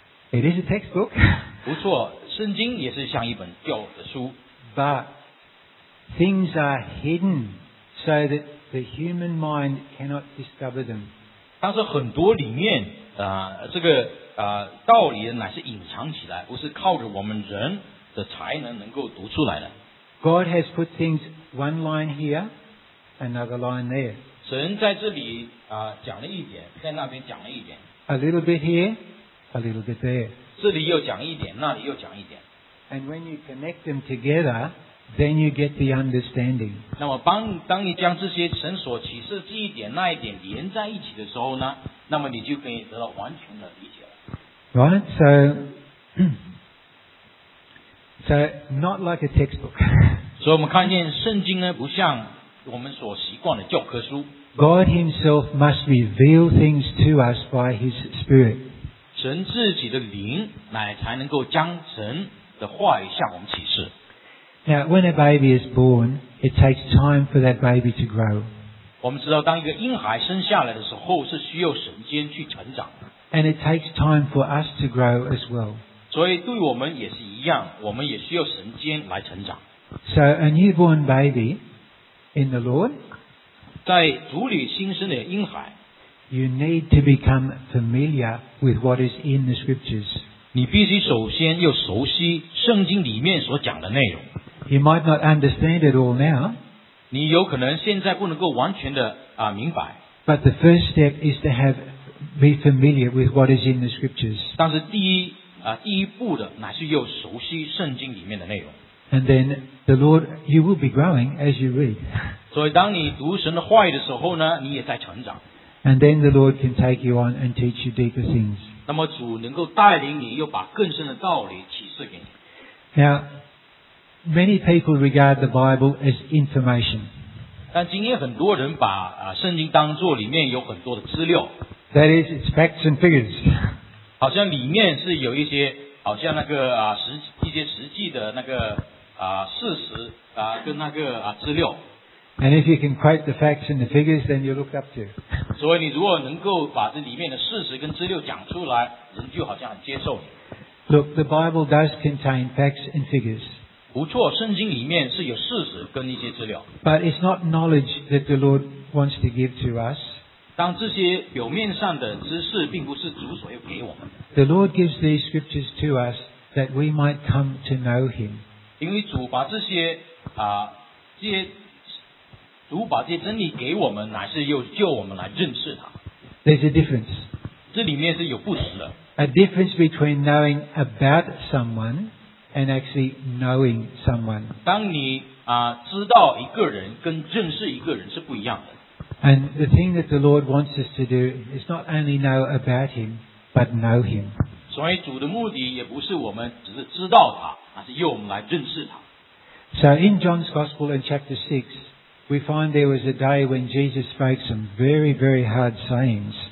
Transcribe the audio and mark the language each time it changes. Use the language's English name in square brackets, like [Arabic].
[English] It is a textbook. [Chinese] 不错，圣经也是像一本教的书。 [English] But things are hidden so that the human mind cannot discover them. [Chinese] 但是很多里面这个道理乃是隐藏起来，不是靠着我们人。的才能能够读出来的。 [English] God has put things one line here, another line there. [Chinese] 神在这里讲了一点，在那边讲了一点。 [English] A little bit here, a little bit there. [Chinese] 这里又讲一点，那里又讲一点。 [English] And when you connect them together, then you get the understanding. [Chinese] 那么当你将这些神所启示这一点那一点连在一起的时候呢，那么你就可以得到完全的理解了。 [English] Right, so. So, not like a textbook. [Chinese] 所以我们看见圣经呢，不像我们所习惯的教科书。 [English] God Himself must reveal things to us by His Spirit. [Chinese] 神自己的灵乃才能够将神的话语向我们启示。 [English] Now, when a baby is born, it takes time for that baby to grow. [Chinese] 我们知道，当一个婴孩生下来的时候，是需要时间去成长。 [English] And it takes time for us to grow as well. [Chinese] 所以对我们也是一样，我们也需要时间来成长。 [English] So a newborn baby in the Lord, [Chinese] 在主里新生的婴孩 [English] ，you need to become familiar with what is in the scriptures. [Chinese] 你必须首先要熟悉圣经里面所讲的内容。 [English] You might not understand it all now. [Chinese] 你有可能现在不能够完全的明白。 [English] But the first step is to have be familiar with what is in the scriptures. [Chinese] 但是第一步的乃是要熟悉圣经里面的内容。 [English] And then the Lord, you will be growing as you read. [Chinese] 所以当你读神的话语的时候呢，你也在成长。 [English] And then the Lord can take you on and teach you deeper things. [Chinese] 那么主能够带领你，又把更深的道理启示给你。 [English] Now, many people regard the Bible as information. [Chinese] 但今天很多人把圣经当作里面有很多的资料。 [English] That is, it's facts and figures. [Chinese] 好像里面是有一些好像那个一些实际的那个事实跟那个资料。 [English] And if you can quote the facts and the figures, then you look up to. [Chinese] 所以你如果能够把这里面的事实跟资料讲出来，人就好像很接受你。 [English] Look, the Bible does contain facts and figures. [Chinese] 不错，圣经里面是有事实跟一些资料。 [English] But it's not knowledge that the Lord wants to give to us. [Chinese] 当这些表面上的知识并不是主所要给我们的。 [English] The Lord gives these scriptures to us that we might come to know Him. [Chinese] 因为主把这些这些主把这些真理给我们，乃是又叫我们来认识他。 [English] There's a difference. [Chinese] 这里面是有不同的。 [English] A difference between knowing about someone and actually knowing someone. [Chinese] 当你知道一个人跟认识一个人是不一样的。 [English] And the thing that the Lord wants us to do is not only know about Him, but know Him. [Chinese] 所以主的目的也不是我们只是知道他，而是要我们来认识他。 [English] So in John's Gospel in chapter 6, we find there was a day when Jesus spoke some very, very hard sayings.